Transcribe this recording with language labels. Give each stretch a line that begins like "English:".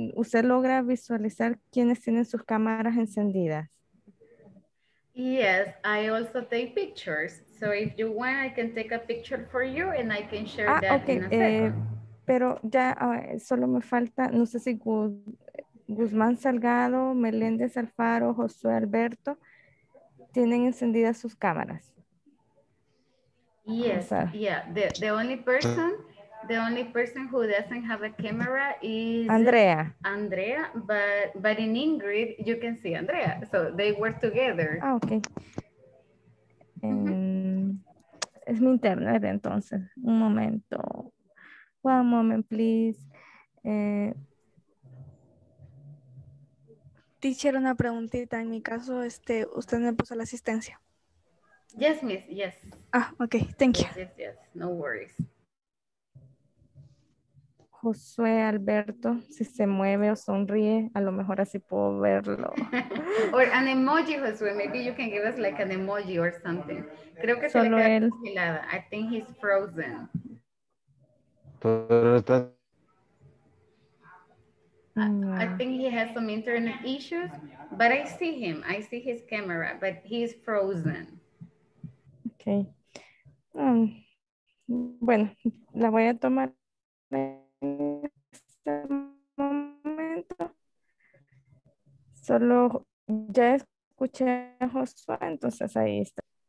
Spanish: ¿Usted logra visualizar quiénes tienen sus cámaras encendidas?
English: Yes, I also take pictures. So if you want, I can take a picture for you and I can share that okay, in a second.
Spanish: Pero ya solo me falta, no sé si Guzmán Salgado, Meléndez Alfaro, Josué Alberto, tienen encendidas sus cámaras.
English: Yes, yeah. The only person The only person who doesn't have a camera is Andrea. Andrea, but in Ingrid, you can see Andrea. So they work together. Ah, okay. Mm-hmm.
Spanish: Es mi internet, entonces. Un momento.
English: One moment, please.
Spanish: Teacher, una preguntita. En mi caso, usted me puso la asistencia.
English: Yes, miss. Yes. Ah, okay. Thank you. Yes, yes. No worries.
Spanish: Josué Alberto, si se mueve o sonríe, a lo mejor así puedo verlo.
English: Or an emoji, Josué. Maybe you can give us like an emoji or something.
Spanish: Creo que solo se queda congelada.
English: I think he's frozen.
Spanish: Pero está...
English: I think he has some internet issues, but I see him. I see his camera, but he's frozen. Okay.
Spanish: Bueno, la voy a tomar en este momento. Solo ya escuché a Josué, entonces ahí está.